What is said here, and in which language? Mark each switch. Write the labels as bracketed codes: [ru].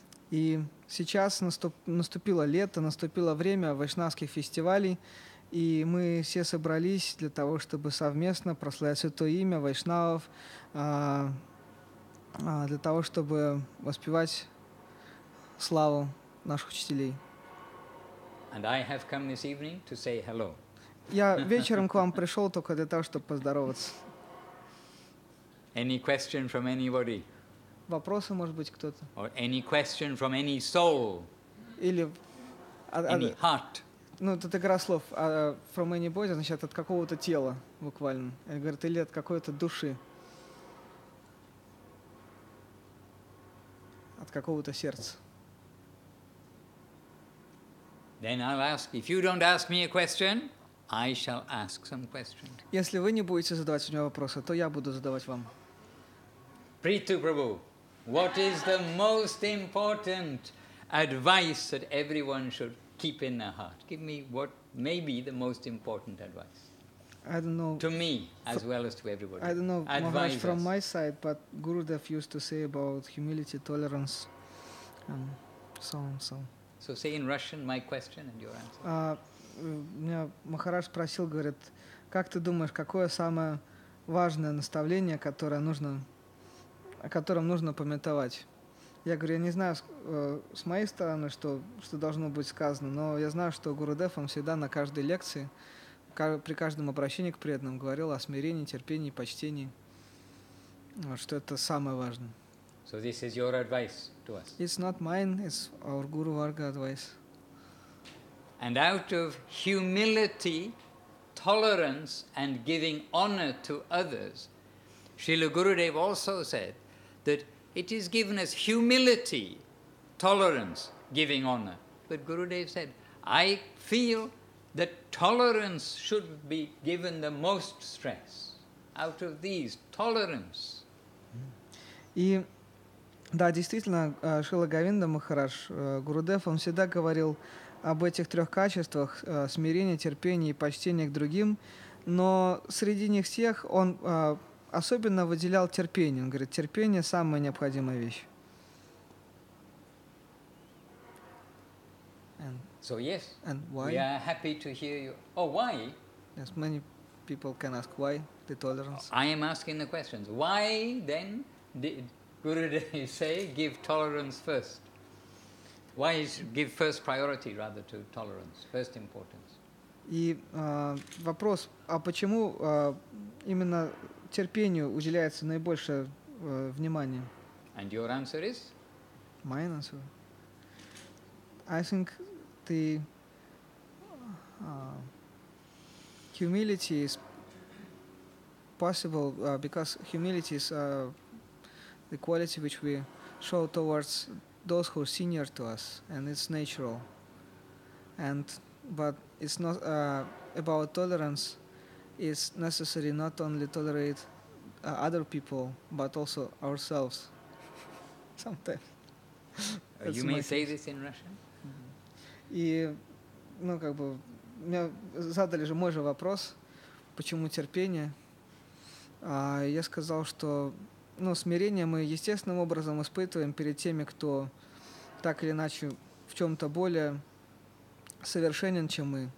[ru] И сейчас наступило лето, наступило время вайшнавских фестивалей, и мы все собрались для того, чтобы совместно прославлять святое имя вайшнавов, для того, чтобы воспевать славу наших учителей. [en] And I have come this evening to say hello. [ru] Я вечером к вам пришел только для того, чтобы поздороваться. [en] Any question from anybody? [ru] Вопросы, может быть, кто-то? [en] Or any question from any soul? [ru] Или [en] any heart? [ru] Ну, это игра слов. [en] From anybody, [ru] значит, от какого-то тела, буквально. Или, говорит, или от какой-то души. От какого-то сердца. [en] Then I'll ask. If you don't ask me a question, I shall ask some questions. Если вы не будете задавать у меня вопросы, то я буду задавать вам. Prithu Prabhu, what is the most important advice that everyone should keep in their heart? Give me what may be the most important advice. I don't know. To me, as well as to everybody. I don't know much from my side, but Gurudev used to say about humility, tolerance, and so on, so on. So say in Russian my question and your answer. [ru] Меня Махарадж спросил, говорит, как ты думаешь, какое самое важное наставление, которое нужно, о котором нужно памятовать? Я говорю, я не знаю с моей стороны, что должно быть сказано, но я знаю, что Гурудев, он всегда на каждой лекции, при каждом обращении к преданным, говорил о смирении, терпении, почтении, вот, что это самое важное. [en] So this is your advice to us. It's not mine, it's our Guru Varga advice. And out of humility, tolerance, and giving honor to others, Srila Gurudev also said that it is given as humility, tolerance, giving honor. But Gurudev said, I feel that tolerance should be given the most stress. Out of these, tolerance. [ru] И да, действительно, Шрила Говинда Махарадж, Гурудев, он всегда говорил об этих трех качествах – смирение, терпение и почтение к другим. Но среди них всех он особенно выделял терпение. Он говорит, терпение – самая необходимая вещь. [en] And, so, yes. And why? We are happy to hear you. Oh, why? Yes, many people can ask why, the tolerance. I am asking the questions. Why, then, did Gurudev say, give tolerance first? Why is give first priority rather to tolerance, first importance? [ru] И вопрос, а почему именно терпению уделяется наибольшее внимание? [en] And your answer is? My answer. I think the humility is possible because humility is the quality which we show towards those who are senior to us, and it's natural. And but it's not about tolerance. It's necessary not only tolerate other people, but also ourselves. Sometimes. You may say this in Russian. [ru] И, ну как бы, мне задали же мой же вопрос, почему терпение? Я сказал, что, ну, смирение мы естественным образом испытываем перед теми, кто так или иначе в чем-то более совершенен, чем мы.